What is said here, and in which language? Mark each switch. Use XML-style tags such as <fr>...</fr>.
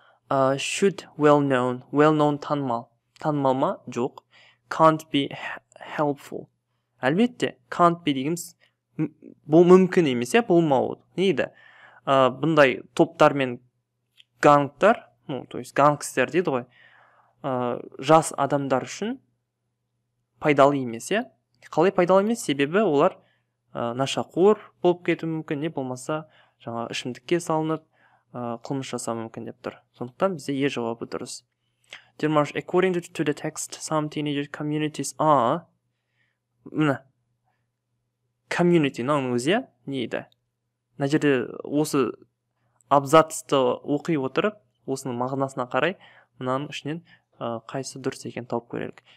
<en>Should well-known</en> <kk>танымал, танымал ма, жоқ,</kk> <en>can't be helpful.</en> <kk>Әлбетте,</kk> <en>can't be</en> <kk>дегіміз, бұл мүмкін емес, болмауы. Не дейді? Бұндай топтар мен гангтар, гангстер дейді ғой, жас адамдар үшін пайдалы емес. Қалай пайдалы емес? Себебі олар нашақор болып кетуі мүмкін, не болмаса жаңа ішімдікке салынып қылмыс жасау мүмкін деп тұр. Сондықтан бізде е жауабы дұрыс.</kk> <en>Димаш, according to the text, some teenager communities are...</en> <kk>Міне, community, наңын өзі, не еді? На жерде осы абзацты оқи отырып, осының мағынасына қарай, мұнаның ішінен қайсы дұрыс екен тауып көрелік.</kk>